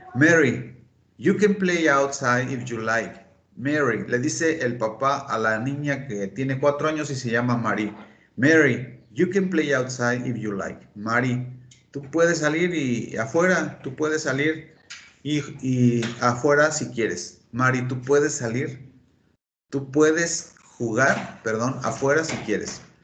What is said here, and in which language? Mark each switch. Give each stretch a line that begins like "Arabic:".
English: Mary, you can play outside if you like.
Spanish: Mary, le dice el papá a la niña que tiene 4 años y se llama Mary.
English: Mary, you can play outside if you like.
Spanish: Mary, tú puedes salir y afuera, tú puedes salir y afuera si quieres. Mary, tú puedes salir, tú puedes jugar, perdón, afuera si quieres.